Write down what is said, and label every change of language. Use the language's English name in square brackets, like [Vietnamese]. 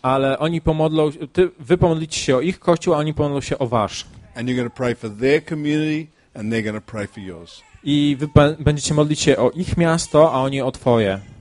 [Polish] Ale oni pomodlą, wy pomodlicie się o ich kościół, a oni pomodlą się o wasz. [English] And you're going to pray for their community and they're going to pray for yours. [Polish] I wy będziecie modlić się o ich miasto, a oni o twoje.